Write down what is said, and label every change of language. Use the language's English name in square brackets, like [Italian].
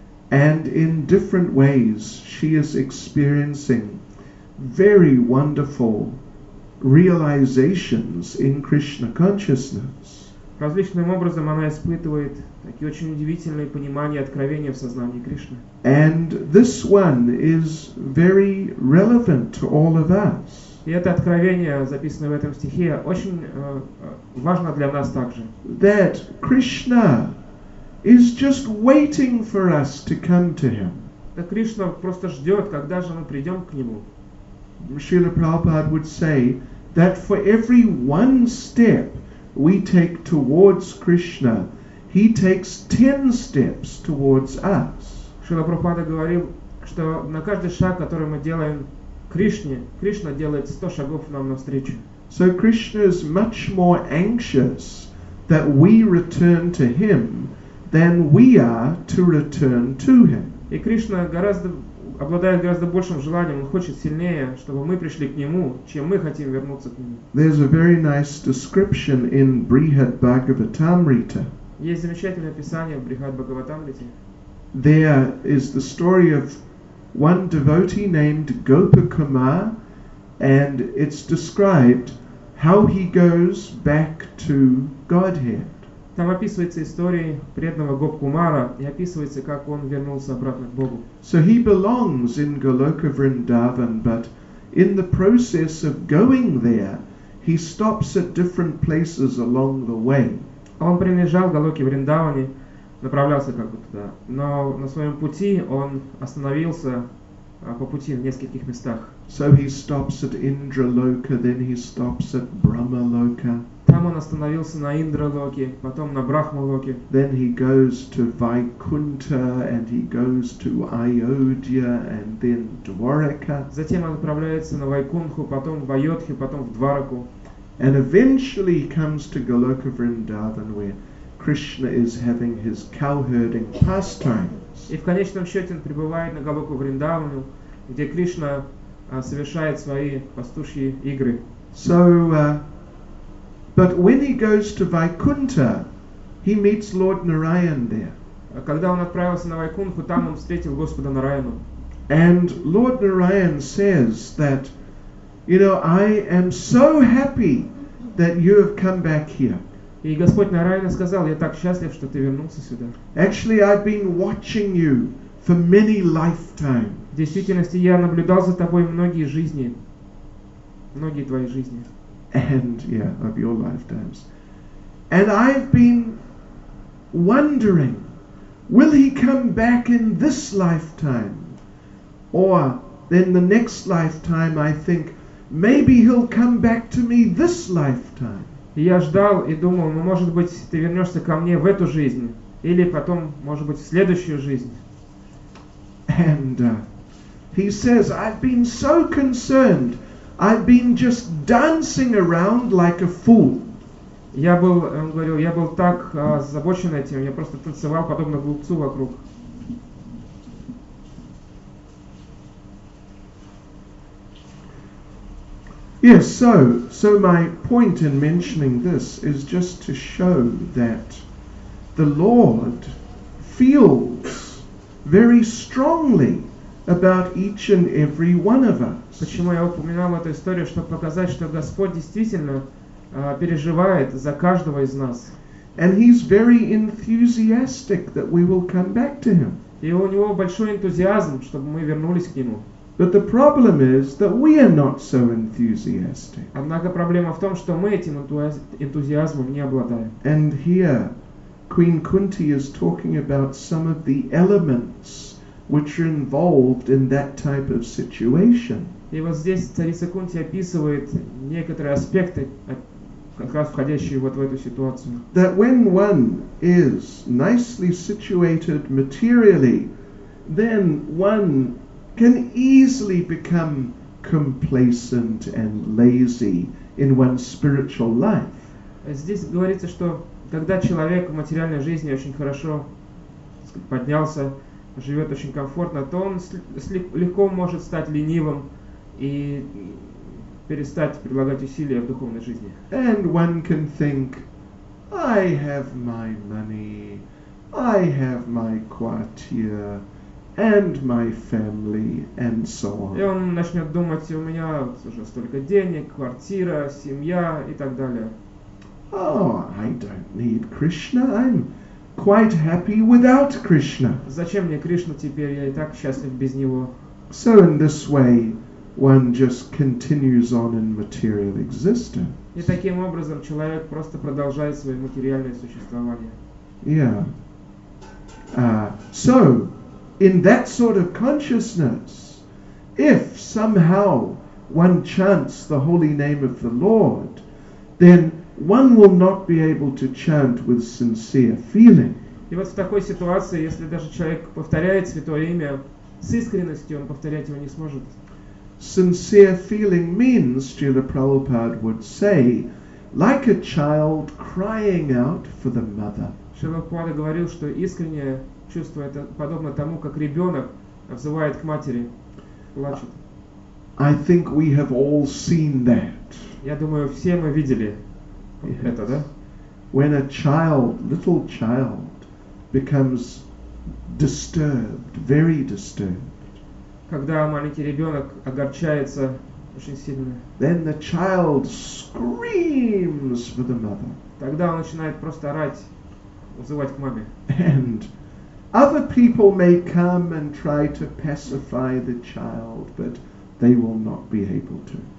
[English] And in different ways she is experiencing very wonderful realizations in Krishna consciousness. [Russian] Различным образом она испытывает такие очень удивительные понимания, откровения в сознании Кришны. [English] And this one is very relevant to all of us. [Russian] И это откровение, записанное в этом стихе, очень важно для нас также. [English] That Krishna is just waiting for us to come to him. [Russian] Да, Кришна просто ждет, когда же мы придем к нему. [English] Srila Prabhupada would say that for every one step we take towards Krishna, he takes 10 steps towards us. [Russian] Srila Prabhupada говорил, что на каждый шаг, который мы делаем Кришне, Кришна делает 100 шагов нам навстречу. [English] So Krishna is much more anxious that we return to him than we are to return to him. [Russian] И Кришна гораздо обладает гораздо большим желанием, он хочет сильнее, чтобы мы пришли к нему, чем мы хотим вернуться к нему. [English] There's a very nice description in Brihad Bhagavatamrita. [Russian] Есть замечательное описание в Брихад Бхагаватамрите. [English] There is the story of one devotee named Gopakumar, and it's described how he goes back to Godhead. [Russian] Там описывается история преданного Гопакумара, и описывается, как он вернулся обратно к Богу. [English] So he belongs in Goloka Vrindavan, but in the process of going there, he stops at different places along the way. [Russian] Он принадлежал Голоке Вриндаване, направлялся как бы туда, но на своем пути он остановился по пути в нескольких местах. [English] So he stops at Indraloka, then he stops at Brahmaloka. [Russian] Там он остановился на Индралоке, потом на Брахмалоке. [English] Then he goes to Vaikuntha, and he goes to Ayodhya, and then Dwarka. [Russian] Затем он отправляется на Вайкунху, потом в Айодхи, потом в Двараку. [English] And eventually he comes to Goloka Vrindavan, where Krishna is having his cowherding pastimes. [Russian] И в конечном счете он прибывает на Голоку Вриндавану, где Кришна совершает свои пастушьи игры. [English] So, but when he goes to Vaikuntha, he meets Lord Narayan there. [Russian] Когда он отправился на Вайкунху, там он встретил Господа Нараяну. [English] And Lord Narayan says that, you know, I am so happy that you have come back here. [Russian] И Господь Нараяна сказал, я так счастлив, что ты вернулся сюда. [English] Actually, I've been watching you for many lifetimes. [Russian] В действительности, я наблюдал за тобой многие жизни. Многие твои жизни. [English] And, yeah, of your lifetimes. And I've been wondering, will he come back in this lifetime? Or then the next lifetime, I think, maybe he'll come back to me this lifetime. [Russian] Я ждал и думал, ну, может быть, ты вернешься ко мне в эту жизнь, или потом, может быть, в следующую жизнь. [English] And he says, I've been so concerned, I've been just dancing around like a fool. [Russian] Я был, он говорил, я был так озабочен этим, я просто танцевал подобно глупцу вокруг. [English] Yes, so my point in mentioning this is just to show that the Lord feels very strongly about each and every one of us. [Russian] Почему я упоминал эту историю, чтобы показать, что Господь действительно переживает за каждого из нас. [English] And he's very enthusiastic that we will come back to him. [Russian] И у него большой энтузиазм, чтобы мы вернулись к нему. [English] But the problem is that we are not so enthusiastic. [Russian] Однако проблема в том, что мы этим энтузиазмом не обладаем. [English] And here, Queen Kunti is talking about some of the elements which are involved in that type of situation. [Russian] И вот здесь царица Кунти описывает некоторые аспекты, как раз входящие вот в эту ситуацию. [English] That when one is nicely situated materially, then one can easily become complacent and lazy in one's spiritual life. [Russian] Здесь говорится, что когда человек в материальной жизни очень хорошо поднялся, живет очень комфортно, то он легко может стать ленивым и перестать прилагать усилия в духовной жизни. [English] And one can think, I have my money, I have my quartier, and my family, and so on. [Russian] И он начнет думать, у меня уже столько денег, квартира, семья и так далее. [English] Oh, I don't need Krishna. I'm quite happy without Krishna. [Russian] Зачем мне Кришна теперь? Я и так счастлив без него. [English] So in this way, one just continues on in material existence. [Russian] И таким образом человек просто продолжает свое материальное существование. [English] Yeah. So in that sort of consciousness, if somehow one chants the holy name of the Lord, then one will not be able to chant with sincere feeling. [Russian] И вот в такой ситуации, если даже человек повторяет святое имя с искренностью, он повторять его не сможет. [English] Sincere feeling means, Srila Prabhupada would say, like a child crying out for the mother. [Russian] Srila Prabhupada говорил, что искреннее чувство это подобно тому, как ребенок взывает к матери, плачет. [English] I think we have all seen that. [Russian] Я думаю, все мы видели. [English] Yes. [Russian] Это, да? [English] When a child, little child, becomes disturbed, very disturbed, [Russian] когда маленький ребенок огорчается очень сильно, [English] then the child screams for the mother. [Russian] Тогда он начинает просто орать, взывать к маме. [English] And other people may come and try to pacify the child, but they will not be able to.